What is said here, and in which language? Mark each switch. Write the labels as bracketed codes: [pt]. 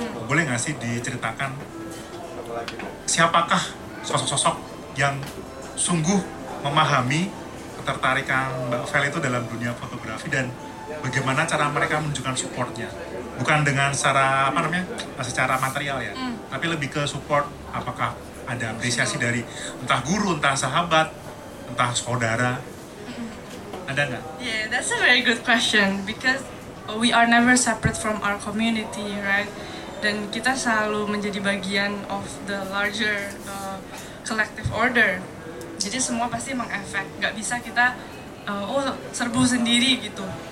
[id] Boleh nggak sih diceritakan siapakah sosok-sosok yang sungguh memahami ketertarikan Mbak Vel itu dalam dunia fotografi dan bagaimana cara mereka menunjukkan supportnya, bukan dengan secara apa namanya, secara material ya, tapi lebih ke support, apakah ada apresiasi dari entah guru, entah sahabat, entah saudara, ada nggak? [en] Yeah, that's a very good question, because we are never separate from our community, right? [id] Dan kita selalu menjadi bagian [en] of the larger collective order, [id] jadi semua pasti mengefek, nggak bisa kita serbu sendiri gitu.